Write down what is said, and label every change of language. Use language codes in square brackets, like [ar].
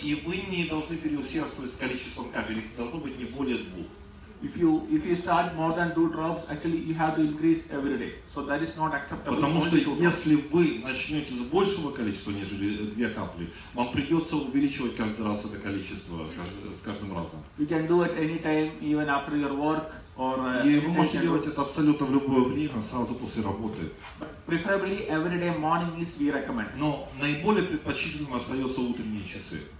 [ru] И вы не должны переусердствовать с количеством капель, их должно быть не более двух. [en] If you start more than two drops, actually you have to increase every day. So that is not acceptable. [ru] Потому что если вы начнете с большего количества, нежели две капли, вам придется увеличивать каждый раз это количество с каждым разом. [en] You can do it anytime, even after your work or. [ru] И вы можете делать это абсолютно в любое время, сразу после работы. [en] Preferably every day morning is we recommend. [ru] Но наиболее предпочтительным остается утренние часы.